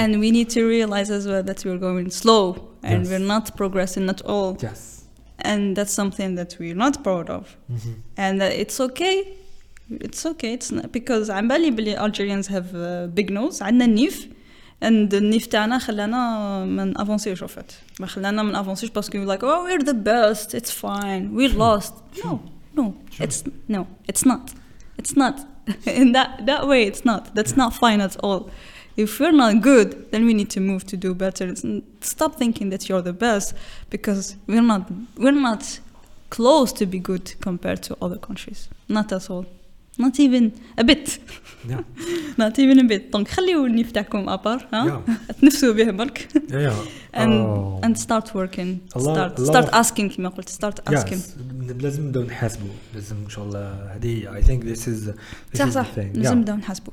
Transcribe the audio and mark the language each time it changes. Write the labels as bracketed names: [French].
[English] And we need to realize as well that we're going slow and yes. We're not progressing at all. Yes. And that's something that we're not proud of. Mm-hmm. And that it's okay. It's okay. It's not because I'm believe Algerians have a big nose. [Arabic] عندنا النيف, [English] and the [Arabic] نيف تاعنا خلانا ما نافونسيش في الوقت. ما خلانا ما نافونسيش باسكو [English] we're like, oh, we're the best. It's fine. We lost. No, it's not. It's not in that way. It's not. That's not fine at all. If we're not good, then we need to move to do better. Stop thinking that you're the best because we're not close to be good compared to other countries. Not at all. Not even a bit. Yeah. Not even a bit. [Arabic] Donc خليوني نفتحكم أبار ها. تنفسوا به برك. [English] Yeah. And start working. Start asking [Arabic] كما قلت. [English] Start asking. [Arabic] Yes. لازم نبداو نحاسبو. لازم إن شاء الله هذه [English] I think this is the thing. [Arabic] لازم نبداو نحاسبو.